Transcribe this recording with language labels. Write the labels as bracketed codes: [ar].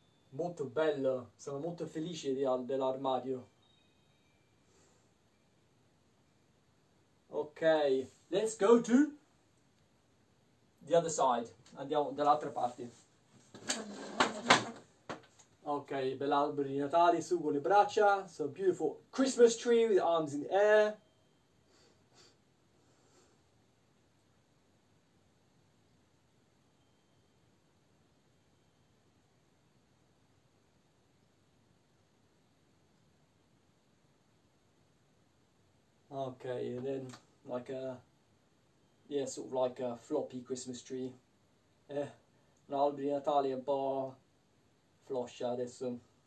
[it] Molto bello, sono molto felice dell'armadio. [en] Ok, let's go to the other side. [it] Andiamo dall'altra parte. Ok, bell'albero di Natale su con le braccia. [en] So beautiful Christmas tree with arms in air. Okay, and then like a, yeah, sort of like a floppy Christmas tree. [it] L'albero di Natale è un po' floscia adesso.